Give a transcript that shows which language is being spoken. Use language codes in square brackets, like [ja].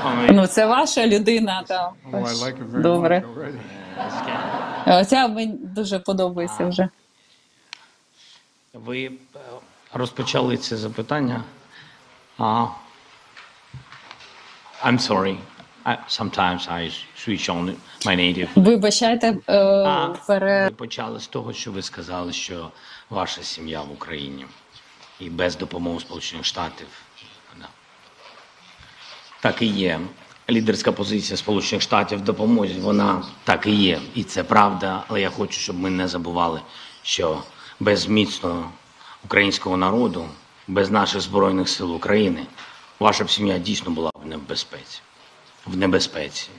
[uk] Ну, це ваша людина там. Добре. Оця мені дуже подобається вже. Ви розпочали це запитання. [en] I'm sorry. Sometimes I switch on my native. [uk] Вибачайте, ви почали з того, що ви сказали, що ваша сім'я в Україні і без допомоги Сполучених Штатів. Так і є. Лідерська позиція Сполучених Штатів в допомозі, вона так і є, і це правда, але я хочу, щоб ми не забували, що без міцного українського народу, без наших Збройних сил України, ваша б сім'я дійсно була б не в безпеці. В небезпеці.